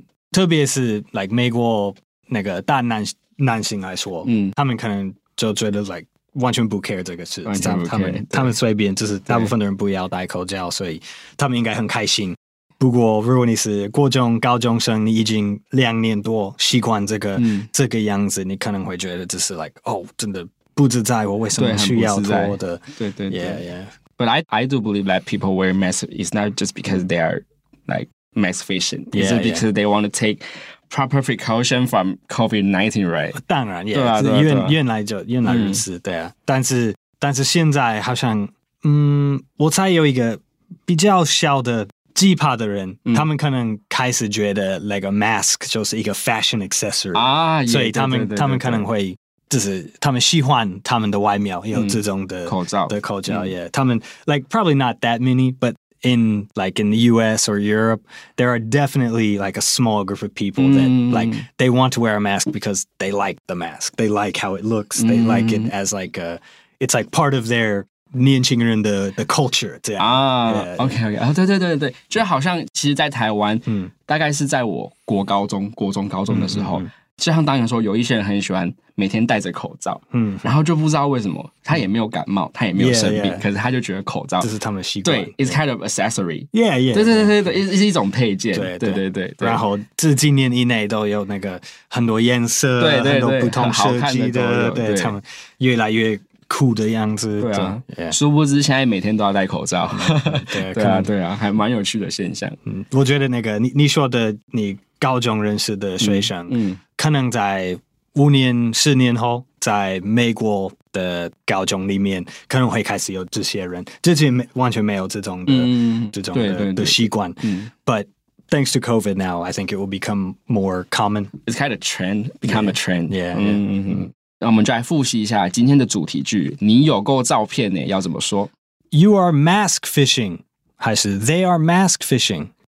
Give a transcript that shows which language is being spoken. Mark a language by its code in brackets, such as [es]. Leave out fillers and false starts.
[zh] 特别是 like 美国那个大男性来说，他们可能就觉得 like 完全不 care 这个事，他们随便，就是大部分的人不要戴口罩，所以他们应该很开心。不过如果你是国中高中生，你已经两年多习惯这个样子，你可能会觉得只是 like 哦，真的不自在，我为什么需要脱的。对 [en] yeah. But I do believe that people wear masks is not just because they are like mask fashion. Yeah, it's because they want to take proper precaution from COVID-19, right? [zh] 当然 yeah, 原来如此。对啊，但是现在好像我猜有一个比较小的奇葩的人，他们可能开始觉得 [en] like a mask [zh] 就是一个 [en] fashion accessory [zh] 啊，所以他们可能会就是他们喜欢他们的外貌有这种的口罩 [en] 、他们 like probably not that many, but in like in the US or Europe there are definitely like a small group of people that like they want to wear a mask because they like the mask, they like how it looks, they like it as like a it's like part of their [zh] 年轻人的 culture 这样啊、yeah. OK OK、oh, 对对对对，就好像其实在台湾、大概是在我国高中国中高中的时候、就像当年说有一些人很喜欢每天戴着口罩、然后就不知道为什么他也没有感冒、他也没有生病 [en] yeah, yeah. [zh] 可是他就觉得口罩这是他们习惯， [en] 对 It's kind of accessory yeah yeah [zh] 对对对对对 yeah. 是一种配件，对对对对, 对，然后这几年以内都有那个很多颜色，对对对，很多不同设计的, 好看的都有，对他们越来越酷的样子，对啊，殊、 [en] yeah. [zh] 不知现在每天都要戴口罩，对, 对啊，对啊，还蛮有趣的现象。我觉得那个你说的，你高中认识的学生，可能在五年、四年后，在美国的高中里面，可能会开始有这些人，之前完全没有这种的，这种的对对对的习惯， [en] But thanks to COVID now, I think it will become more common. It's kind of trend, become yeah, a trend. Yeah, yeah. [zh] 那我们就来复习一下今天的主题句，你有够照片耶，要怎么说？ [en] You are mask fishing 还是 They are mask fishing？